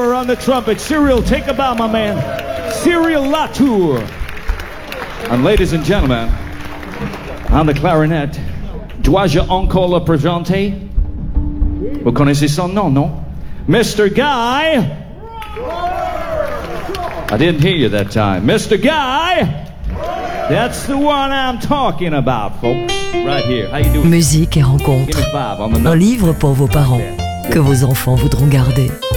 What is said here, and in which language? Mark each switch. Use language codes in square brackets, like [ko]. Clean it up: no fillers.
[en] The trumpet, Cyril, take a bow, my man. Cyril Latour. And ladies and gentlemen, on the clarinet, [fr] dois-je encore le présenter? Vous connaissez son nom, non? [en] Mr. Guy. I didn't hear you that time. Mr. Guy. That's the one I'm talking about, folks. Right here. How you doing? [fr] Musique et rencontre. Un livre pour vos parents que vos enfants voudront garder.